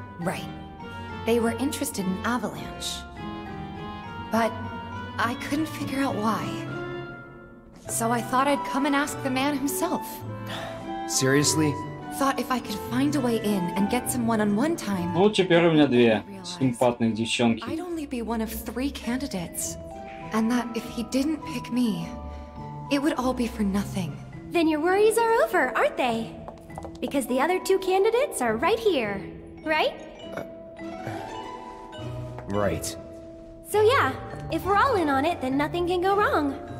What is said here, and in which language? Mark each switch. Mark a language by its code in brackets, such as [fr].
[en] Right. They were interested in Avalanche. But I couldn't figure out why. So I thought I'd come and ask the man himself. Seriously? Thought if I could find a way in and get some one-on-one time... [ru] Ну, теперь у меня две симпатных девчонки. [en] I'd only be one of three candidates. And that if he didn't pick me, it would all be for nothing. Then your worries are over, aren't they? Because the other two candidates are right here, right? Right. So yeah, if we're all in on it, then nothing can go wrong.